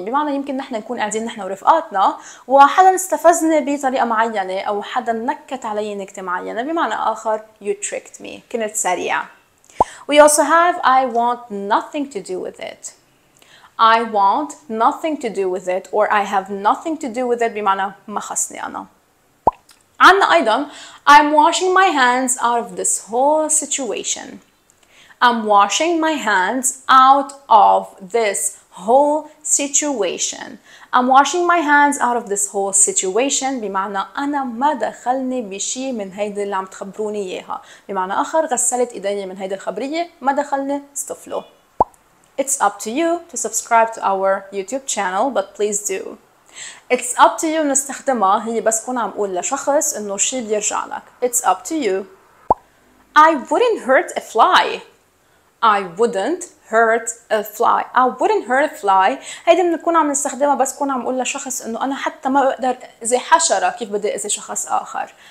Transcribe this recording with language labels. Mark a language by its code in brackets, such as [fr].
[ar] بمعنى يمكن نحن نكون قاعدين نحن ورفقاتنا وحدا استفزنا بطريقة معينة أو حدا نكت علي نكتة معينة. بمعنى آخر [en] you tricked me. [ar] كنت سريعة. [en] We also have I want nothing to do with it. I want nothing to do with it or I have nothing to do with it. [ar] بمعنى ما خصني أنا. عنا أيضا [en] I'm washing my hands out of this whole situation. I'm washing my hands out of this whole situation. I'm washing my hands out of this whole situation. [ar] بمعنى أنا ما دخلني بشي من هيدا اللي عم تخبروني إياها. بمعنى آخر غسلت إيدي من هيدا الخبرية ما دخلني استفلو. [en] It's up to you to subscribe to our YouTube channel, but please do. It's up to you [ar] نستخدمها هي بس كون عم قول لشخص إنه شي بيرجع لك. [en] It's up to you. I wouldn't hurt a fly. I wouldn't hurt a fly. I wouldn't hurt a fly. [ar] هيدا بنكون عم نستخدمها بس كون عم قول لشخص إنه أنا حتى ما بقدر إذي حشرة كيف بدي إذي شخص آخر.